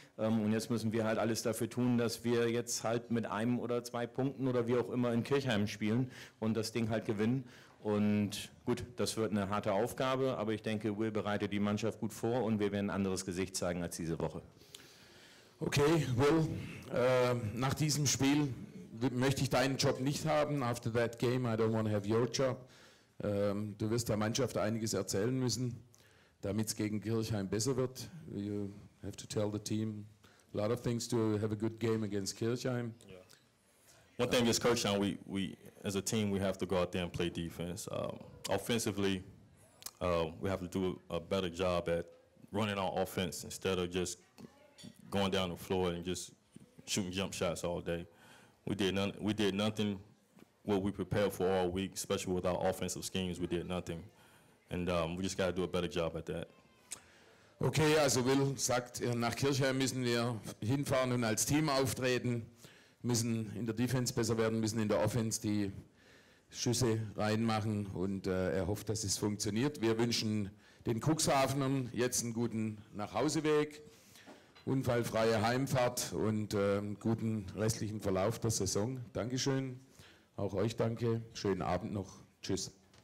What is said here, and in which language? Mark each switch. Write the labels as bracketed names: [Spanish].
[German] Und jetzt müssen wir halt alles dafür tun, dass wir jetzt halt mit einem oder zwei Punkten oder wie auch immer in Kirchheim spielen und das Ding halt gewinnen. Und gut, das wird eine harte Aufgabe, aber ich denke, Will bereitet die Mannschaft gut vor und wir werden ein anderes Gesicht zeigen als diese Woche. Okay, Will, nach diesem Spiel möchte ich deinen Job nicht haben. [English] After that game, I don't want to have your job. [German] Du wirst der Mannschaft einiges erzählen müssen, damit es gegen Kirchheim besser wird. [English] You have to tell the team a lot of things to have a good game against Kirchheim. Yeah. One thing is Kirchheim, we as a team, we have to go out there and play defense. Offensively, we have to do a better job at running our offense instead of just going down the floor and just shooting jump shots all day. We did nothing. What we prepared for all week, especially with our offensive schemes, we did nothing. And we just got to do a better job at that. [German] Okay, also Will sagt, nach Kirchheim müssen wir hinfahren und als Team auftreten, müssen in der Defense besser werden, müssen in der Offense die Schüsse reinmachen und er hofft, dass es funktioniert. Wir wünschen den Cuxhavenern jetzt einen guten Nachhauseweg, unfallfreie Heimfahrt und guten restlichen Verlauf der Saison. Dankeschön. Auch euch danke. Schönen Abend noch. Tschüss.